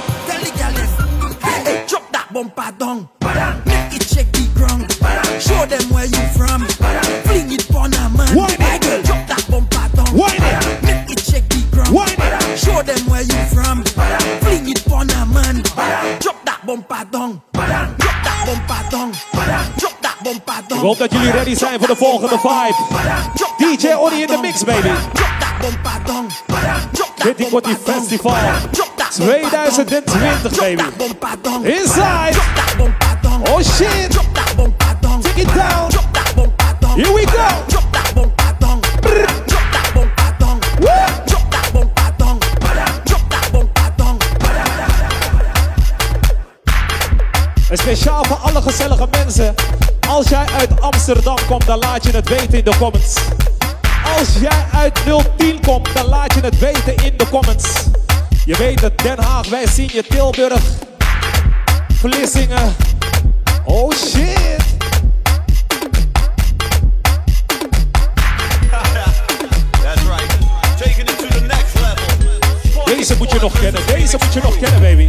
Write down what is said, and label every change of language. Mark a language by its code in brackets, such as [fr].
[en] Tell it, girl, hey, chop that bumper down, make it check the ground, show them where you from, fling it on a man, chop that bumper down, make it check the ground, show them where you from, fling it on a man, chop that bumper down, chop that bumper down, chop that bumper down. [nl] Ik hoop dat jullie ready zijn voor de volgende vibe. [en] DJ Orrie in the mix, baby. Keti Koti Festival 2020, baby. Inside. Oh shit. Take it down. Here we go. [nl] En speciaal voor alle gezellige mensen. Als jij uit Amsterdam komt, dan laat je het weten in de comments. Als jij uit 010 komt, dan laat je het weten in de comments. Je weet het, Den Haag, wij zien je, Tilburg. [en] Vlissingen. Oh shit. That's right. Taking it to the next level. [nl] Deze moet je nog kennen, deze moet je nog kennen, baby.